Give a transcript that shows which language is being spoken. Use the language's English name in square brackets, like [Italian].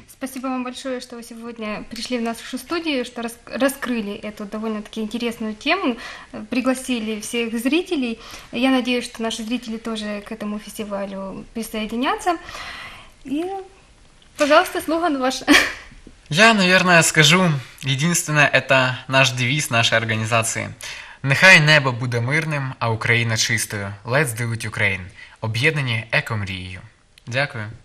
[Russian] Спасибо вам большое, что вы сегодня пришли в нашу студию, что раскрыли эту довольно-таки интересную тему, пригласили всех зрителей. Я надеюсь, что наши зрители тоже к этому фестивалю присоединятся. И, пожалуйста, слоган ваш. Я, наверное, скажу единственное, это наш девиз нашей организации. [Ukrainian] Нехай небо буде мирним, а Україна чистою. Let's do it, Ukraine. Об'єднані екомрією. Дякую.